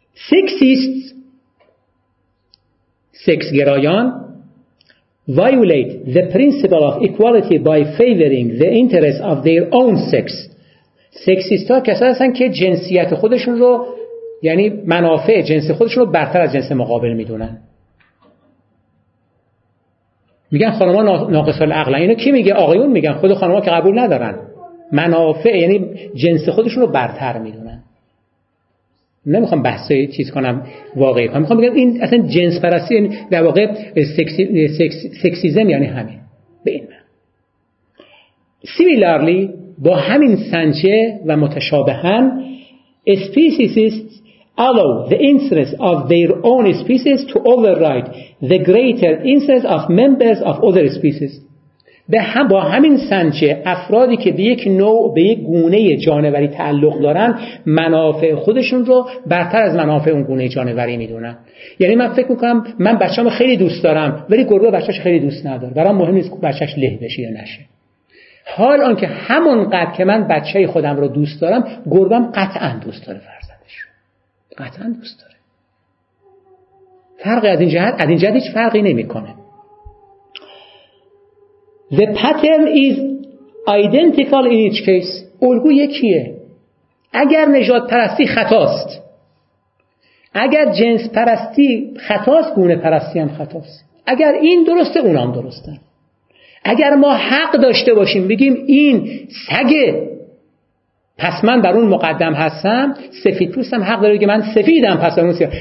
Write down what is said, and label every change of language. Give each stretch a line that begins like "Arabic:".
English: sexist,
Persian: سکس گرایان،
English: violate the principle of equality by favoring the interests of their own sex.
Persian: سکسیست ها کسی هستن که جنسیت خودشون رو، یعنی منافع جنس خودشون رو برتر از جنس مقابل میدونن. میگن خانم ها ناقص العقلن. اینو کی میگه؟ آقایون میگن، خود خانم ها که قبول ندارن. منافع یعنی جنس خودشون رو برتر میدونن. نمیخوام بحثی چیز کنم واقعی کنم، میخوام بگم این اصلا جنس پرستی، یعنی در واقع سکسیزم یعنی همین. به این معنی.
English: similarly
Persian: با همین سنجه و متشابهن،
English: Speciesists allow the interests of their own species to override the greater interests of members of other species.
Persian: با همین سنجه افرادی که به یک نوع به یک گونه جانوری تعلق دارن، منافع خودشون رو برتر از منافع اون گونه جانوری میدونن. یعنی من فکر میکنم من بچه‌مو خیلی دوست دارم، ولی گربه بچه‌ش خیلی دوست نداره، برام مهم نیست بچه‌ش له بشه یا نشه. حال آنکه همون قد که من بچه خودم رو دوست دارم، گربه‌م قطعا دوست داره فرزندش، قطعا دوست داره. فرقی از این جهت، از این جهت هیچ فرقی نمیکنه.
English: The pattern is identical in each case.
Persian: الگو یکیه. اگر نژاد پرستی خطاست، اگر جنس پرستی خطاست، گونه پرستی هم خطاست. اگر این درسته، اونام درستن. اگر ما حق داشته باشیم بگیم این سگه، پس من بر اون مقدم هستم، سفید پوست هم حق داره که من سفیدم پس بر اون سیاه.